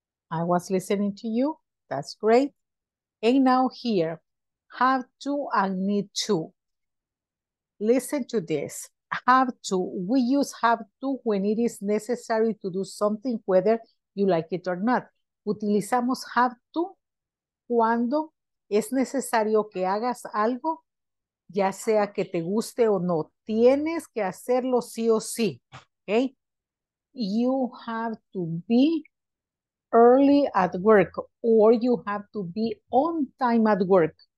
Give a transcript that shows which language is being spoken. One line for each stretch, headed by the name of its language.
English: I was listening to you. That's great. And now here, have to and need to. Listen to this. Have to. We use have to when it is necessary to do something, whether you like it or not.
Spanish: Utilizamos have to cuando es necesario que hagas algo, ya sea que te guste o no, tienes que hacerlo sí o sí, okay?
English: You have to be early at work or you have to be on time at work.